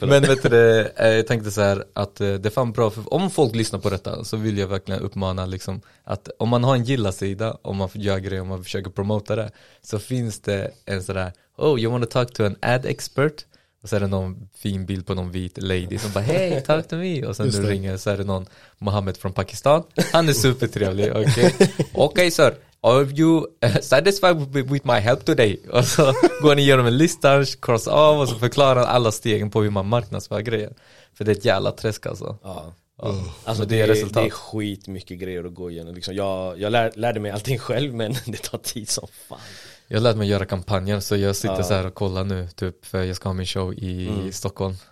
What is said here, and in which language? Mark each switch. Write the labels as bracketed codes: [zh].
[sv] Men vet du, jag tänkte så här att det är fan bra, för om folk lyssnar på detta så vill jag verkligen uppmana liksom, att om man har en gilla sida, om man gör grejer, om man försöker promota det, så finns det en sån där [en] oh, you wanna talk to an ad expert, [sv] och så är det någon fin bild på någon vit lady som bara [en] hey, talk to me, [sv] och sen du ringer, så är det någon Mohammed från Pakistan, han är supertrevlig. [en] Okay, sir, are you satisfied with my help today? [sv] Och så går ni igenom en lista, cross av, och så förklarar alla stegen på hur man marknadsför grejer. För det är ett jävla träsk alltså. Ja. Alltså det är skitmycket grejer att gå igenom. Liksom, jag lärde mig allting själv, men det tar tid som fan. Jag lärde mig göra kampanjer, så jag sitter så här och kollar nu. Typ, för jag ska ha min show i Stockholm.